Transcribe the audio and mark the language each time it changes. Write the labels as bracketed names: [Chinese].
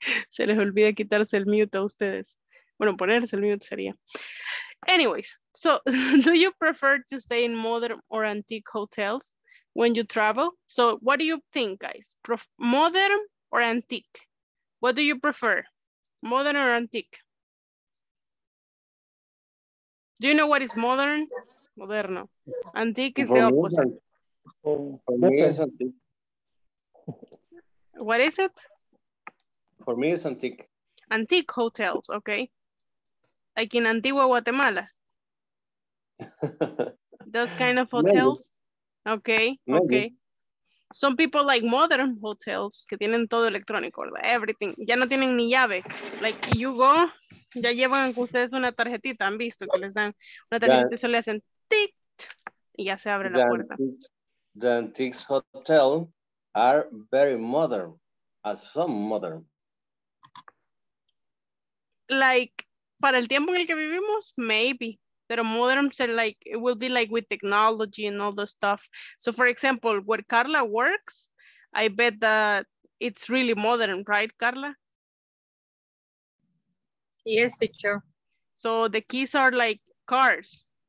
[Spanish] Se les olvida quitarse el mute a ustedes. Bueno, ponerse el mute sería. [English] Anyways, so do you prefer to stay in modern or antique hotels when you travel? So what do you think, guys? Modern or antique? What do you prefer? Modern or antique? Do you know what is modern? Moderno. Antique is the opposite. For me, it's antique. What is it? For me, it's antique. Antique hotels, okay. Like in Antigua Guatemala. Those kind of hotels. Maybe. Okay, maybe. Okay. Some people like modern hotels [Spanish] que tienen todo electrónico, ¿verdad? [English] Everything. [Spanish] Ya no tienen ni llave. [English] Like you go, [Spanish] ya llevan con ustedes una tarjetita, han visto que les dan una tarjetita y se le hacen tic y ya se abre la puerta. [English] The antiques hotel are very modern, as some modern. [Spanish] Like, para el tiempo en el que vivimos, maybe. [English] Pero modern said like, it will be like with technology and all the stuff. So for example, where Carla works, I bet that it's really modern, right, Carla? Yes, teacher. So the keys are like cars?